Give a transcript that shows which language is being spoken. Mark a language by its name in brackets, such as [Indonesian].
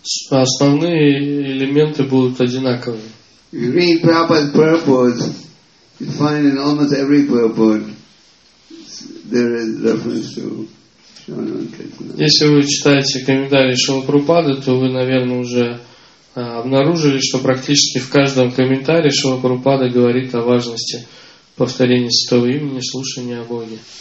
[Russian] Основные элементы будут одинаковыми. [English] If you read Prabhupada's purport, you find in almost every purport there is reference to [Russian] Если вы читаете комментарии Шрилы Прабхупады, то вы, наверное, уже обнаружили, что практически в каждом комментарии Шрила Прабхупада говорит о важности повторения святого имени, слушания о Боге.